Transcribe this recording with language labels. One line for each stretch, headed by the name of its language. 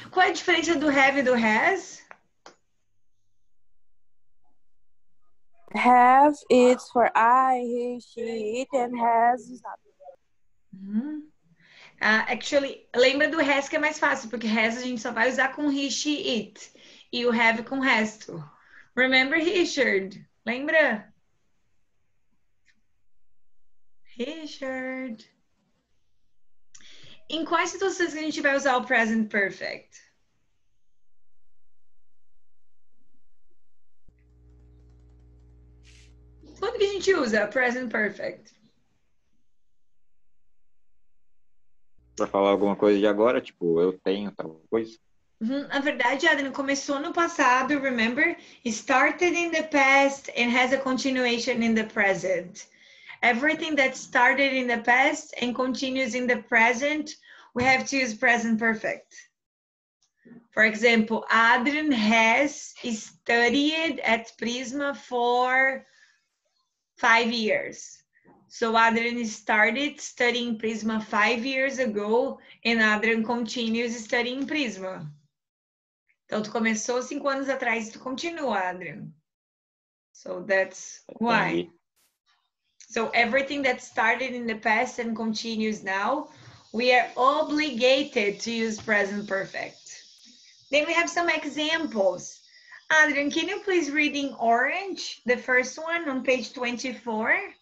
Portuguese: Qual é a diferença do have e do has?
English: Have is for I, he, she, it, and has is not. Actually,
Portuguese: lembra do has que é mais fácil, porque has a gente só vai usar com he, she, it. E o have com resto.
English: Remember,
Portuguese: Richard? Lembra? Richard. Em quais situações a gente vai usar o present perfect? Quando que a gente usa o present perfect? Para falar alguma coisa de agora, tipo, eu tenho tal coisa. Uhum. Na verdade, Adam, começou no passado,
English: remember? Started in the past and has a continuation in the present. Everything that started in the past and continues in the present, we have to use present perfect. For example, Adam has studied at Prisma for 5 years. So Adrian started studying Prisma 5 years ago and Adrian continues studying Prisma.
Portuguese: Então, tu começou 5 anos atrás e tu continua, Adrian.
English: So that's why. So everything that started in the past and continues now, We are obligated to use present perfect. Then we have some examples. Adrian, can you please read in orange the first one on page 24?